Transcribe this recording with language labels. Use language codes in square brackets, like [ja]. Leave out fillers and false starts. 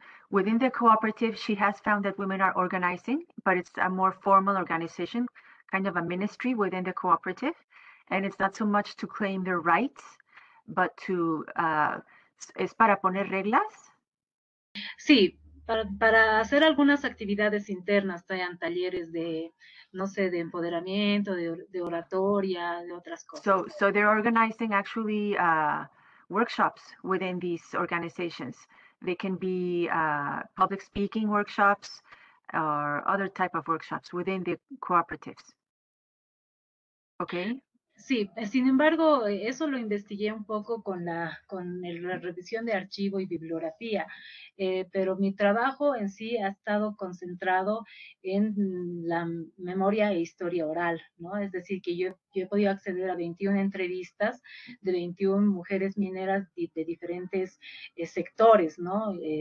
[en] Within the cooperative, she has found that women are organizing, but it's a more formal organization, kind of a ministry within the cooperative. And it's not so much to claim their rights, but to, [es] es para poner reglas? Sí, para hacer algunas actividades internas, traen talleres de, no sé, de empoderamiento, de oratoria, de otras cosas. [en] So they're organizing actually workshops within these organizations. They can be public speaking workshops or other type of workshops within the cooperatives. Okay. [es] Sí, sin embargo, eso lo investigué un poco con la revisión de archivo y bibliografía, pero mi trabajo en sí ha estado concentrado en la memoria e historia oral, ¿no? Es decir, que yo he podido acceder a 21 entrevistas de 21 mujeres mineras de diferentes sectores, ¿no?